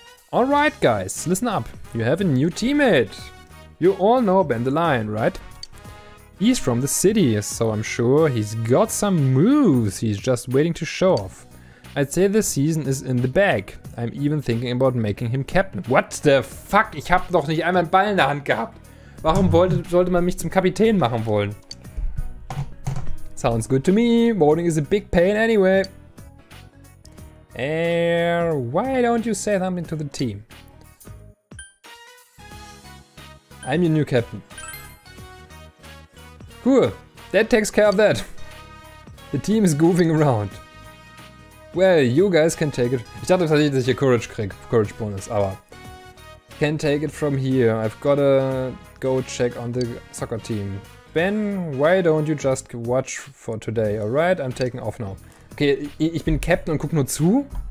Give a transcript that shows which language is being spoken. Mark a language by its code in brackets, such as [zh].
[en] Alright guys, listen up. You have a new teammate. You all know Ben the Lion, right? He's from the city, so I'm sure he's got some moves he's just waiting to show off. I'd say this season is in the bag. I'm even thinking about making him captain. What the fuck? [de] Ich hab doch nicht einmal einen Ball in der Hand gehabt. Warum sollte man mich zum Kapitän machen wollen? [en] Sounds good to me. Morning is a big pain anyway. Why don't you say something to the team? I'm your new captain. Cool, that takes care of that. The team is goofing around. Well, you guys can take it. [de] Ich dachte tatsächlich, dass ich hier Courage krieg, Courage Bonus, aber. [en] Can take it from here. I've gotta go check on the soccer team. Ben, why don't you just watch for today, alright? I'm taking off now. [de] Okay, ich bin Captain und guck nur zu.